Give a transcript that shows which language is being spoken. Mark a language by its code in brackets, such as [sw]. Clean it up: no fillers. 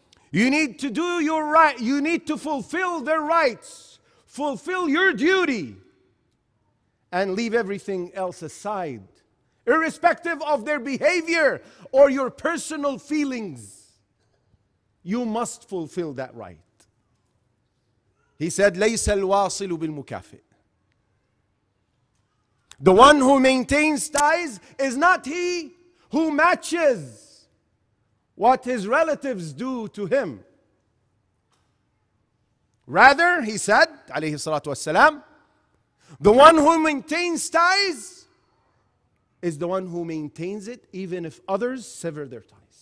[en] You need to do your right. You need to fulfill their rights. Fulfill your duty. And leave everything else aside. Irrespective of their behavior or your personal feelings, you must fulfill that right. He said, [ar] لَيْسَ الْوَاصِلُ بِالْمُكَافِئِ. [en] The one who maintains ties is not he who matches what his relatives do to him. Rather, he said, [ar] عليه الصلاة والسلام, [en] the one who maintains ties is the one who maintains it even if others sever their ties.